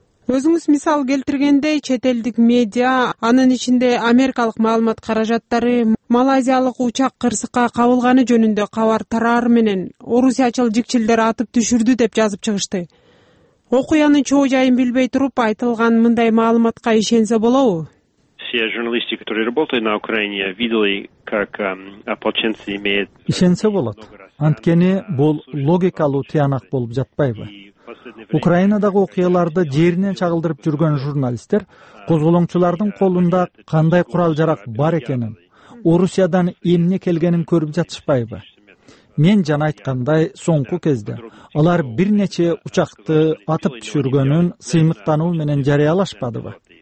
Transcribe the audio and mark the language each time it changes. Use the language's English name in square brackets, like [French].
[Kyrgyz] Өзүңүз мисал келтиргенде, чет элдик медиа, анын ичинде Америкалык маалымат каражаттары малайзиялык учак кырсыкка кабылганы жөнүндө кабар тарары менен орусиячыл жикчилдер атып түшүрдү деп жазып чыгышты. Окуянын чоо жайын билбей туруп айтылган мындай маалыматка ишенсе болобу? [Russian] Все журналисты, которые работают на Украине, видели, как ополченцы имеют. [Kyrgyz] Ишенсе болот. Анткени бул логикалуу тыянак болуп жатпайбы? Украинадагы окуяларды жеринен чагылдырып жүргөн журналисттер козголоңчулардын колунда кандай курал-жарак бар экенин, Орусиядан эмне келгенин көрүп жатышпайбы? Мен жана айткандай, соңку кезде алар бир нече учакты атып түшүргөнүн сыймыктануу менен жарыялашпадыбы?